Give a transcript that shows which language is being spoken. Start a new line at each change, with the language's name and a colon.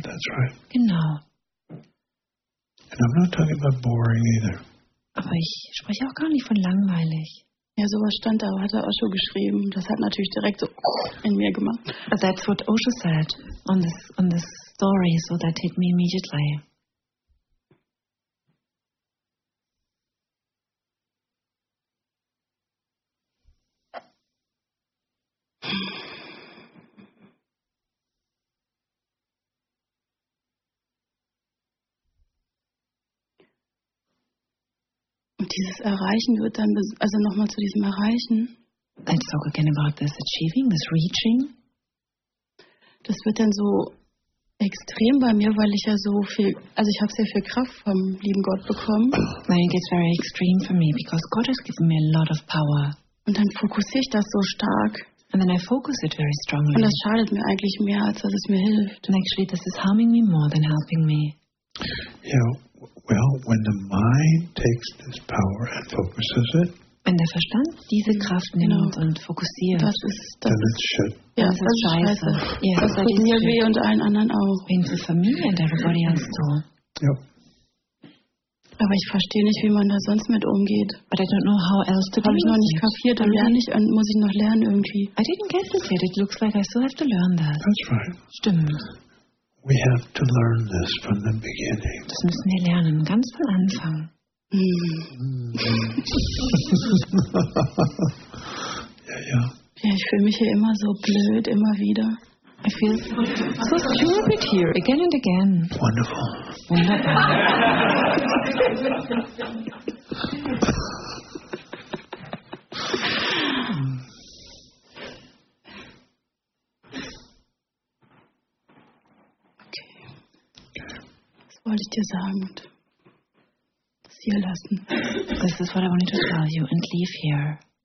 English: That's right.
German: Genau.
English: And I'm not talking about boring either.
German: Aber ich spreche auch gar nicht von langweilig. Ja, sowas stand da, hat er Osho geschrieben. Das hat natürlich direkt so in mir gemacht.
English: But that's what Osho said on this story, so that hit me immediately.
German: Dieses Erreichen wird dann, also nochmal zu diesem Erreichen.
English: Let's talk again about this achieving, this reaching.
German: Das wird dann so extrem bei mir, weil ich ja so viel, also ich habe sehr viel Kraft vom lieben Gott bekommen.
English: Then it gets very extreme for me, because God has given me a lot of power.
German: Und dann fokussiere ich das so stark.
English: And then I focus it very strongly.
German: Und das schadet mir eigentlich mehr, als dass es mir hilft.
English: And actually this is harming me more than helping me. Yeah. Well, when the mind takes this power and focuses it,
German: wenn der Verstand diese Kraft nimmt, genau, und fokussiert, das ist
English: then it's shit.
German: Ja, das ist scheiße. Ja, das tut mir weh und allen anderen auch. Wenn für Familie und
English: everybody else too. Yep.
German: Aber ich verstehe nicht, wie man da sonst mit umgeht.
English: But I don't know how else to do it.
German: Habe ich noch nicht kapiert, dann lerne ich, muss ich noch lernen irgendwie.
English: I didn't get this yet. It looks like I still have to learn that. That's right.
German: Stimmt.
English: We have to learn this from the beginning.
German: Das müssen wir lernen, ganz von Anfang. Ja, ich fühle mich hier immer so blöd, immer wieder.
English: I feel so stupid here, again and again. Wonderful.
German: Wunderbar. Wollte ich dir sagen und das hier lassen.
English: This is what I wanted to tell you and leave here.